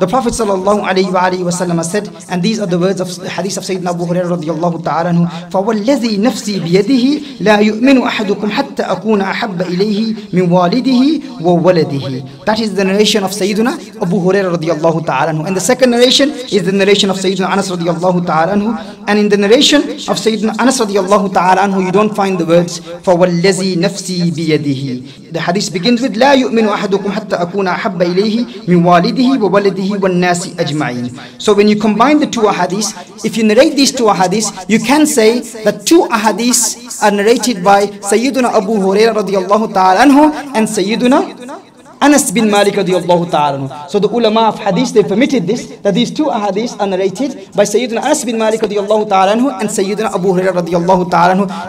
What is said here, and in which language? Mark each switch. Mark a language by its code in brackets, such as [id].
[en] The Prophet sallallahu alaihi wasallam said, and these are the words of the hadith of Sayyidina Abu Huraira radiyallahu ta'ala anhu, [ar] فوالذي نفسي بيده لا يؤمن أحدكم حتى أكون أحب إليه من والده وولده. [en] That is the narration of Sayyiduna Abu Huraira radiyallahu ta'ala anhu. And the second narration is the narration of Sayyiduna Anas radiyallahu ta'ala anhu. And in the narration of Sayyiduna Anas radiyallahu ta'ala anhu, you don't find the words [ar] فوالذي نفسي بيده. [en] The hadith begins with [ar] لا يؤمن أحدكم حتى أكون أحب إليه من والده وولده والناس أجمعين. [en] So when you combine the two hadiths, if you narrate these two hadiths, you can say that two ahadiths are narrated by Sayyiduna Abu Huraira radiyallahu ta'ala anhu and Sayyiduna Anas bin Malik radiyallahu ta'ala. So the ulama of hadith, they permitted this, that these two ahadith are narrated by Sayyidina Anas bin Malik radiyallahu ta'ala and Sayyidina Abu Huraira radiyallahu ta'ala.